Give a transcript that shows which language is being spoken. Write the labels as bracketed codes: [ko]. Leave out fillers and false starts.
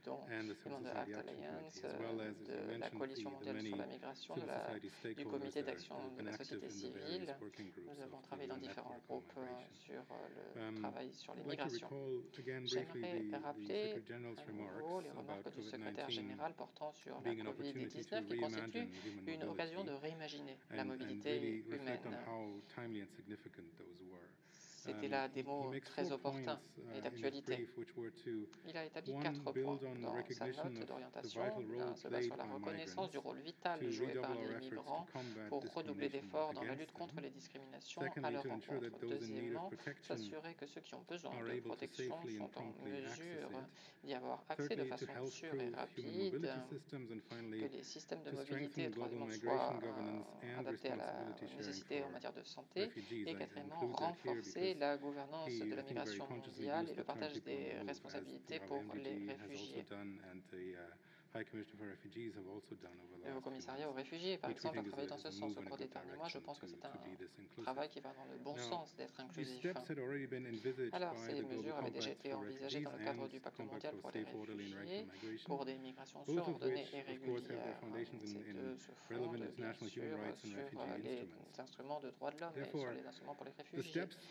[en] and the Civil Society Action Committee, as well as you mentioned, the many civil society stakeholders that have been active in the various working groups of the UN Network on Migration. I'd like to recall again briefly the Secretary General's remarks about COVID-19 being an opportunity to reimagine human mobility and really reflect on how timely and significant those were. [fr] C'était là des mots très opportuns et d'actualité. Il a établi quatre points dans sa note d'orientation. L'un se base sur la reconnaissance du rôle vital joué par les migrants pour redoubler d'efforts dans la lutte contre les discriminations à leur encontre. Deuxièmement, s'assurer que ceux qui ont besoin de protection sont en mesure d'y avoir accès de façon sûre et rapide, que les systèmes de mobilité soient adaptés à la nécessité en matière de santé, et quatrièmement, renforcer la gouvernance de la migration mondiale et le partage des responsabilités pour les réfugiés. [en] High Commissioner for Refugees have also done over the [fr] le commissariat aux réfugiés, par exemple, a travaillé dans ce sens au cours des derniers mois. Je pense que c'est un travail qui va dans le bon sens d'être inclusif. Alors, ces mesures avaient déjà été envisagées dans le cadre du pacte mondial pour les réfugiés, pour des migrations ordonnées et régulières. Ces deux se font, bien sûr, sur les instruments de droits de l'homme et sur les instruments pour les réfugiés.